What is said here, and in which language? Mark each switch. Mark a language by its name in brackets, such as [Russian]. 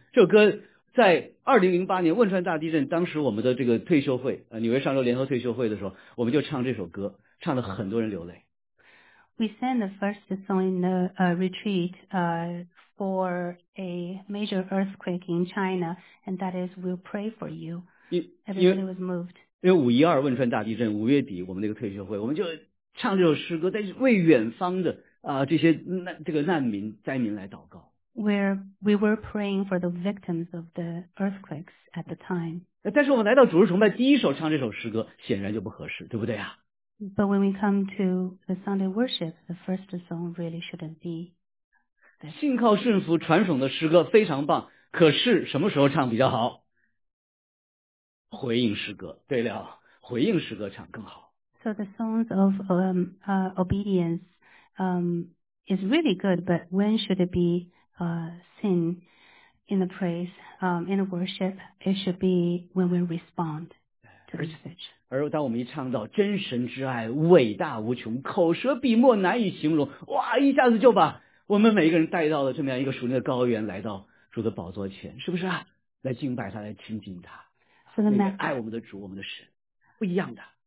[Chinese] 这首歌在2008年汶川大地震，当时我们的这个退休会，纽约上州联合退休会的时候，我们就唱这首歌，唱了很多人流泪。 [English] We sang the first song in the retreat for a major earthquake in China, and that is, we'll pray for you. Everybody was moved. [Chinese] 因为512汶川大地震，五月底我们那个退休会，我们就唱这首诗歌，在为远方的这些难民灾民来祷告。 [English] We were praying for the victims of the earthquakes at the time. [Chinese] 但是我们来到主日崇拜，第一首唱这首诗歌，显然就不合适，对不对啊？ [English] But when we come to the Sunday worship, the first song really shouldn't be. [Chinese] 信靠顺服传颂的诗歌非常棒，可是什么时候唱比较好？回应诗歌，对了，回应诗歌唱更好。 [English] So the songs of obedience is really good, but when should it be sung in the praise, in the worship? It should be when we respond. [Chinese] 而当我们一唱到真神之爱伟大无穷，口舌笔墨难以形容，哇，一下子就把我们每一个人带到了这么样一个属灵的高原，来到主的宝座前，是不是啊？来敬拜他，来亲近他，那个爱我们的主，我们的神，不一样的。